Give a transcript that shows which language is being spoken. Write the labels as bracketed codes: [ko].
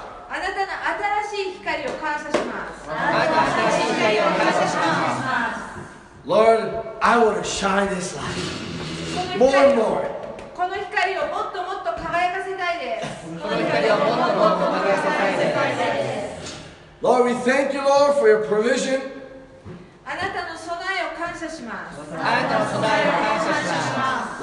[ja] あなたの新しい光を感謝します。あなたの新しい光を感謝します。 [en] Lord, I want to shine this light more and more. [ja] この光をもっともっと輝かせたいです。この光をもっともっと輝かせたいです。 [en] Lord, we thank you, Lord, for your provision. [ja] あなたの備えを感謝します。あなたの備えを感謝します。